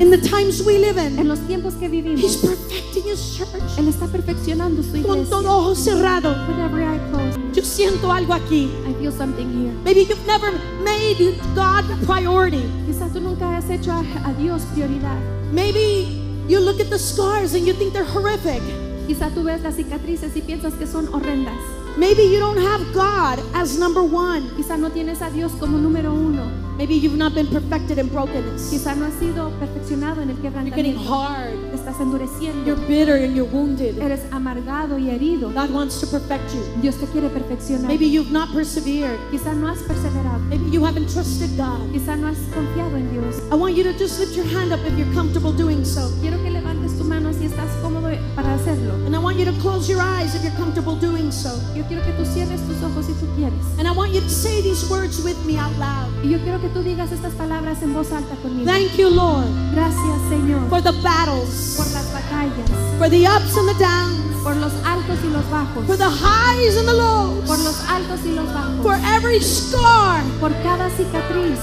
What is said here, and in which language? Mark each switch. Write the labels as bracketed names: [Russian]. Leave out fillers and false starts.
[English] In the times we live in. [Spanish] En los tiempos que vivimos. [English] He's perfecting his church. [Spanish] Él está perfeccionando su iglesia. Con todo ojo cerrado. [English] With every eye closed. [Spanish] Yo siento algo aquí. [English] I feel something here. Maybe you've never made God a priority. [Spanish] Quizás tú nunca has hecho a Dios prioridad. [English] Maybe you look at the scars and you think they're horrific. [Spanish] Quizás tú ves las cicatrices y piensas que son horrendas. [English] Maybe you don't have God as number one. [Spanish] Quizás no tienes a Dios como número uno. [English] Maybe you've not been perfected in brokenness. [Spanish] Quizá no has sido perfeccionado en el quebrantamiento. [English] You're getting hard. [Spanish] Estás endureciendo. [English] You're bitter and you're wounded. [Spanish] Eres amargado y herido. [English] God wants to perfect you. [Spanish] Dios te quiere perfeccionar. [English] Maybe you've not persevered. [Spanish] Quizá no has perseverado. [English] Maybe you haven't trusted God. [Spanish] Quizá no has confiado en Dios. [English] I want you to just lift your hand up if you're comfortable doing so. [Spanish] Quiero que levantes tu mano si estás cómodo para hacerlo. [English] And I want you to close your eyes if you're comfortable doing so. [Spanish] Yo quiero que tú cierres tus ojos si tú quieres. [English] And I want you to say these words with me out loud. [Spanish] Y yo quiero que tú digas estas palabras en voz alta conmigo. [English] Thank you, Lord. [Spanish] Gracias, Señor. [English] For the battles. [Spanish] Por las batallas. [English] For the ups and the downs. [Spanish] Por los altos y los bajos. [English] For the highs and the lows. [Spanish] Por los altos y los bajos. [English] For every scar. [Spanish] Por cada cicatriz.